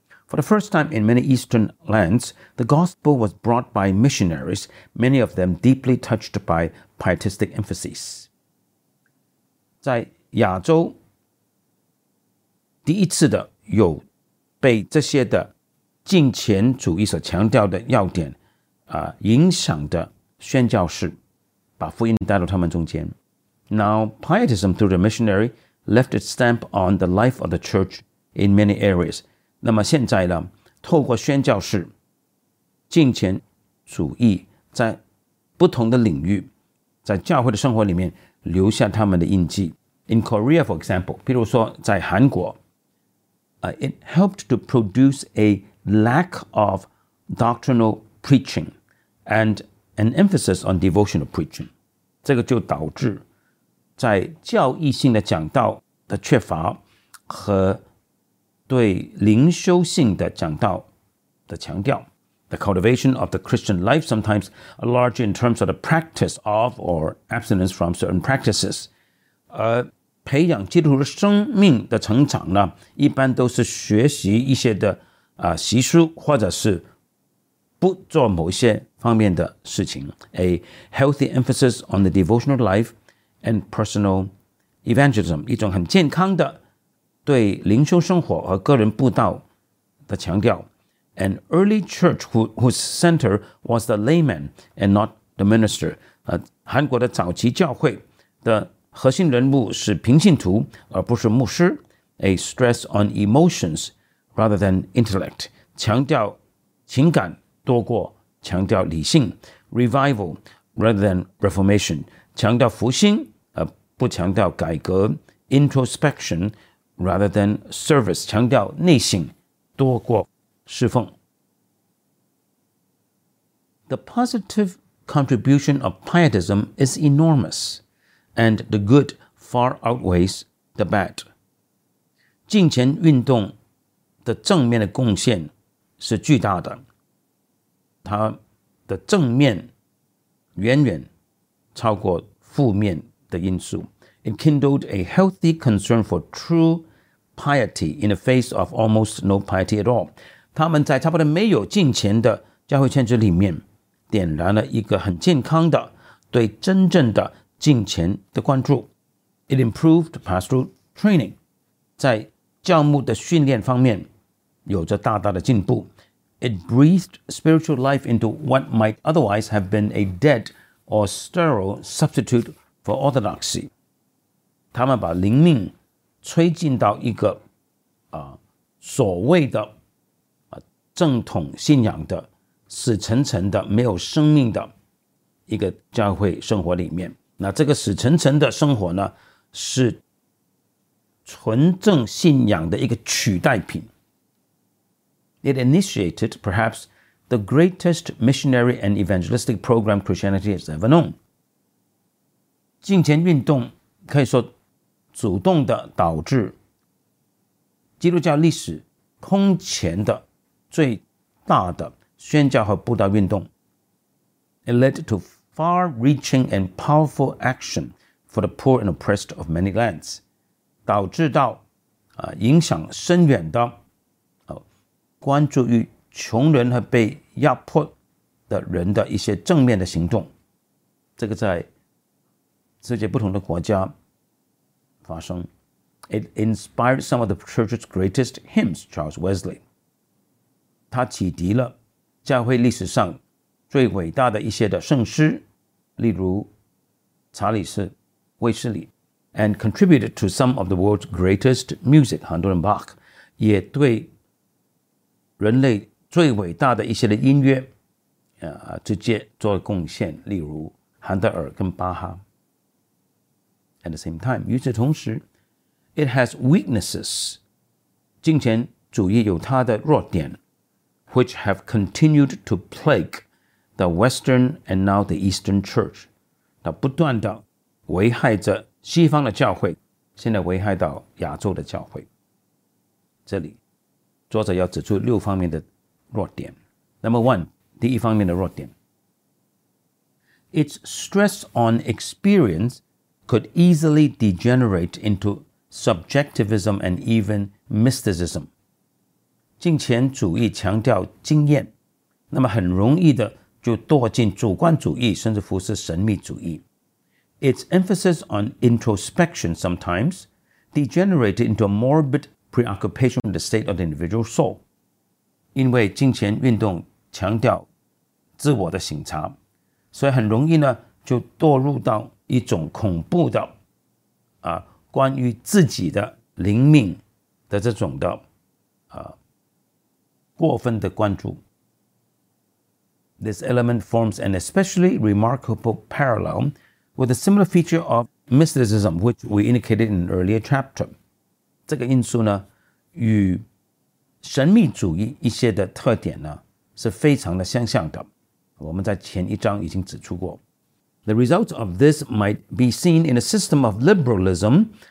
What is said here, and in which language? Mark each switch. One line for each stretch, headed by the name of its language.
English: For the first time in many eastern lands, the gospel was brought by missionaries, many of them deeply touched by pietistic emphases.
Chinese: 在亚洲第一次的有被这些的金钱主义所强调的要点影响的宣教士把福音带到他们中间。
English: Now, Pietism through the missionary left its stamp on the life of the church in many areas.
Chinese: 那么现在呢，透过宣教士，金钱主义在不同的领域，在教会的生活里面留下他们的印记。
English: In Korea, for example,
Chinese: 比如说在韩国
English: ，it helped to produce a lack of doctrinal preaching and an emphasis on devotional preaching.
Chinese: 这个就导致在教义性的讲道的缺乏和对灵修性的讲道的强调。
English: The cultivation of the Christian life sometimes are large in terms of the practice of or abstinence from certain practices.
Chinese: 而培养基督徒生命的成长呢，一般都是学习一些的习俗，或者是不做某些方面的事情。
English: A healthy emphasis on the devotional life and personal evangelism,
Chinese: 一种很健康的对灵修生活和个人布道的强调。
English: An early church whose center was the layman and not the minister.
Chinese: 韩国的早期教会的核心人物是平信徒而不是牧师。
English: A stress on emotions rather than intellect.
Chinese: 强调情感多过强调理性。
English: Revival rather than reformation.
Chinese: 强调复兴而不强调改革。
English: Introspection rather than service.
Chinese: 强调内省多过侍奉。
English: The positive contribution of pietism is enormous, and the good far outweighs the bad.
Chinese: 敬虔运动的正面的贡献是巨大的，它的正面远远超过负面的因素。
English: It kindled a healthy concern for true piety in the face of almost no piety at all.
Chinese: 他们在差不多没有敬虔的教会圈子里面点燃了一个很健康的对真正的敬虔的关注。
English: It improved pastoral training.
Chinese: 在教牧的训练方面有着大大的进步。
English: It breathed spiritual life into what might otherwise have been a dead or sterile substitute for orthodoxy.
Chinese: 他们把灵命吹进到一个所谓的正统信仰的死沉沉的没有生命的一个教会生活里面。那这个死沉沉的生活呢，是纯正信仰的一个取代品。
English: It initiated perhaps the greatest missionary and evangelistic program Christianity has ever known.
Chinese: 敬虔运动可以说主动的导致基督教历史空前的最大的宣教和布道运动。
English: It led to far-reaching and powerful action for the poor and oppressed of many lands.
Chinese: 导致到影响深远的关注于穷人和被压迫的人的一些正面的行动。这个在世界不同的国家发生。
English: It inspired some of the church's greatest hymns, Charles Wesley.
Chinese: 他启迪了教会历史上最伟大的一些的圣诗，例如查理士卫斯理
English: ，and contributed to some of the world's greatest music,
Chinese: 韩多伦巴克，也对人类最伟大的一些的音乐，直接做贡献，例如韩德尔跟巴哈。
English: At the same time,
Chinese: 与此同时，
English: it has weaknesses,
Chinese: 敬虔主义有它的弱点。
English: Which have continued to plague the Western and now the Eastern Church.
Chinese: 它不断地危害着西方的教会，现在危害到亚洲的教会。这里，作者要指出六方面的弱点。
English: Number one,
Chinese: 第一方面的弱点。
English: Its stress on experience could easily degenerate into subjectivism and even mysticism.
Chinese: 敬虔主义强调经验，那么很容易的就堕进主观主义，甚至乎是神秘主义。
English: Its emphasis on introspection sometimes degenerated into a morbid preoccupation with the state of the individual soul.
Chinese: 因为敬虔运动强调自我的省察，所以很容易呢就堕入到一种恐怖的关于自己的灵命的这种的过分的关注。
English: This element forms an especially remarkable parallel with a similar feature of mysticism, which we indicated in an earlier chapter.
Chinese: 这个因素呢，与神秘主义一些的特点呢，是非常的相像的。我们在前一章已经指出过。
English: The results of this might be seen in a system of liberalism